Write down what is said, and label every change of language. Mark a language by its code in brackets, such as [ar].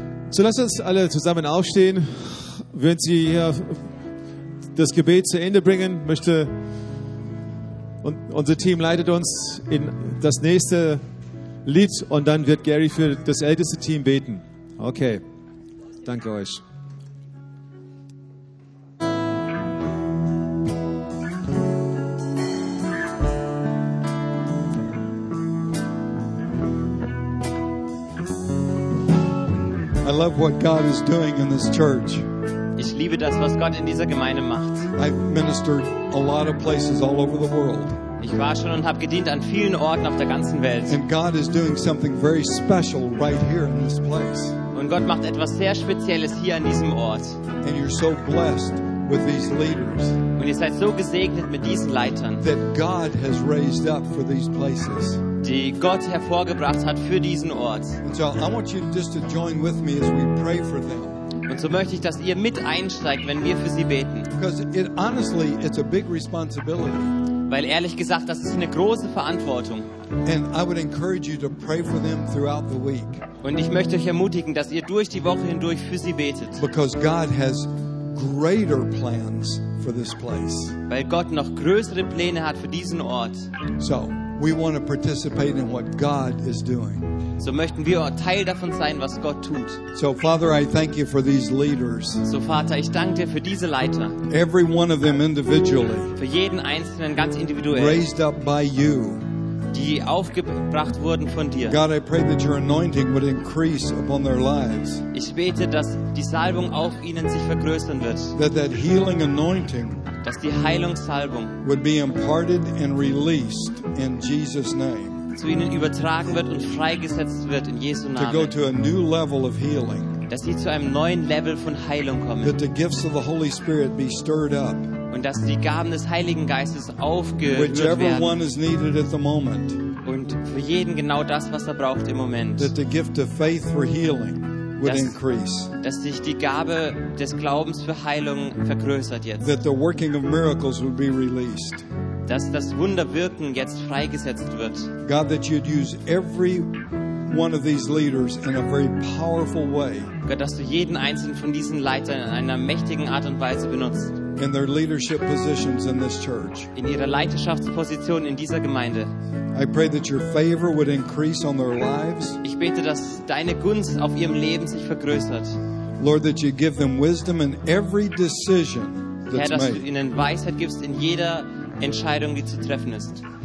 [de] So, lasst uns alle zusammen aufstehen. Wenn Sie hier das Gebet zu Ende bringen. Möchte und unser Team leitet uns in das nächste Lied und dann wird Gary für das älteste Team beten. Okay, danke euch. [en] I love what God is doing in this church. [de] Ich liebe das, was Gott in dieser Gemeinde macht. [en] I've ministered a lot of places all over the world. [de] Ich war schon und habe gedient an vielen Orten auf der ganzen Welt. [en] And God is doing something very special right here in this place. [de] Und Gott macht etwas sehr Spezielles hier an diesem Ort. [en] And you're so blessed with these leaders. [de] Und ihr seid so gesegnet mit diesen Leitern. [en] That God has raised up for these places. [de] Die Gott hervorgebracht hat für diesen Ort. [en] And so I want you just to join with me as we pray for them. [de] Und so möchte ich, dass ihr mit einsteigt, wenn wir für sie beten. [en] Because it, honestly, it's a big responsibility. [de] Weil ehrlich gesagt, das ist eine große Verantwortung. Und ich möchte euch ermutigen, dass ihr durch die Woche hindurch für sie betet. [en] Because God has greater plans for this place. [de] Weil Gott noch größere Pläne hat für diesen Ort. [en] So, we want to participate in what God is doing. [de] So möchten wir auch Teil davon sein, was Gott tut. [en] So, Father, I thank you for these leaders. [de] So, Vater, ich danke dir für diese Leiter. [en] Every one of them individually. [de] Für jeden einzelnen ganz individuell. [en] Raised up by you. [de] Die aufgebracht wurden von dir. [en] God, I pray that your anointing would increase upon their lives. [de] Ich bete, dass die Salbung auf ihnen sich vergrößern wird. [en] That healing anointing. [de] Dass die Heilungssalbung [en] would be imparted and released in Jesus' name. [de] Zu ihnen übertragen wird und freigesetzt wird in Jesu Namen. [en] To go to a new level of healing. [de] Dass sie zu einem neuen Level von Heilung kommen. [en] That the gifts of the Holy Spirit be stirred up. [de] Und dass die Gaben des Heiligen Geistes aufgehört werden. [en] Whichever one is needed at the moment. [de] Und für jeden genau das, was er braucht im Moment. [en] That the gift of faith for healing would increase. [de] Dass sich die Gabe des Glaubens für Heilung vergrößert jetzt. [en] That the working of miracles would be released. [de] Dass das Wunderwirken jetzt freigesetzt wird. [en] God, that you'd use every one of these leaders in a very powerful way. [de] Gott, dass du jeden einzelnen von diesen Leitern in einer mächtigen Art und Weise benutzt. [en] In their leadership positions in this church. [de] In ihrer Leiterschaftsposition in dieser Gemeinde. [en] I pray that your favor would increase on their lives. [de] Ich bete, dass deine Gunst auf ihrem Leben sich vergrößert. [en] Lord, that you give them wisdom in every decision that's made. [de] Herr, dass du ihnen Weisheit gibst in jeder Entscheidung, die zu treffen ist.